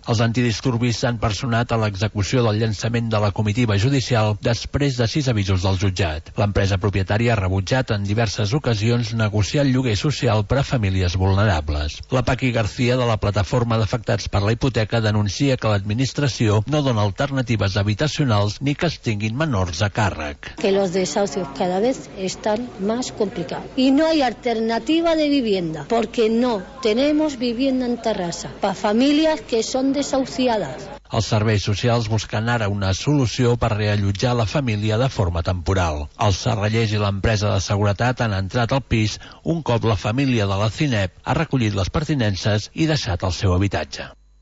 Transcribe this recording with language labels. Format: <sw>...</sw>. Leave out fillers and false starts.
<ca>Els antidisturbis s'han personat a l'execució del llançament de la comitiva judicial després de 6 avisos del jutjat. L'empresa propietària ha rebutjat en diverses ocasions negociar el lloguer social per a famílies vulnerables. La Paqui García, de la plataforma d'afectats per la hipoteca, denuncia que l'administració no dona alternatives habitacionals ni que es tinguin menors a càrrec.</ca> <es>Que los desahucios cada vez están más complicados. Y no hay alternativa de vivienda, porque no tenemos vivienda en Terrassa para familias que son desahuciadas.</es> <ca>Els serveis socials busquen ara una solució per reallotjar la família de forma temporal. Els serrallers i l'empresa de seguretat han entrat al pis un cop la família de la Cinep ha recollit les pertinences i deixat el seu habitatge.</ca>